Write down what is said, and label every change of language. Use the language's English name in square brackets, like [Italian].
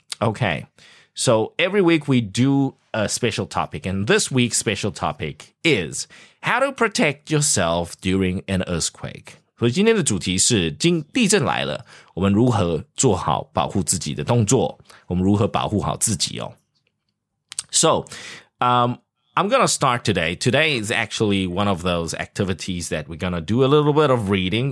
[English] Okay, so every week we do a special topic, and this week's special topic is how to protect yourself during an earthquake. [Chinese] 所以今天的主题是地震来了我们如何做好保护自己的动作我们如何保护好自己哦。 [English] So, I'm gonna start today. Today is actually one of those activities that we're gonna do a little bit of reading.